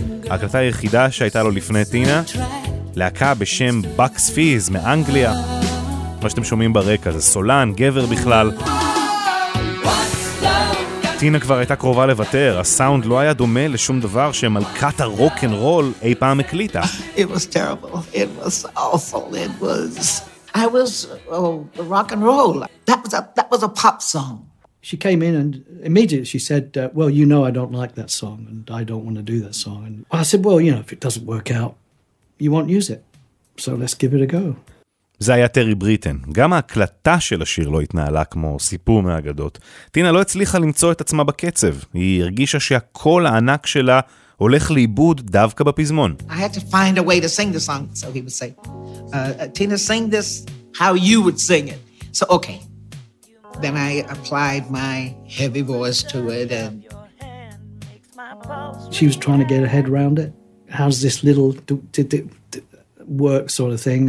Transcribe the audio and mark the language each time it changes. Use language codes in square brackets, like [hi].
[he] ההקלטה היחידה שהייתה לו לפני טינה, להקה בשם בקס פיז מאנגליה. מה שאתם שומעים ברקע זה סולן, גבר בכלל. טינה כבר הייתה קרובה לוותר, הסאונד לא היה דומה לשום דבר שמלכת הרוק אנד רול אי פעם הקליטה. [en] It was terrible. It was awful. It was... I was... Oh, the rock and roll. That was a pop song. she came in and immediately she said, well, you know, I don't like that song and I don't want to do that song. And I said, well, you know, if it doesn't work out, you won't use it. So let's give it a go. [he] זה היה טרי בריטן. גם ההקלטה של השיר לא התנהלה כמו סיפור מהאגדות. טינה לא הצליחה למצוא את עצמה בקצב. היא הרגישה שהקול הענק שלה הולך לאיבוד דווקא בפזמון. [en] I had to find a way to sing the song, so he would say. Tina, sing this how you would sing it. So, okay. Then I applied my heavy voice to it. And she was trying to get her head around it. How's this little work sort of thing?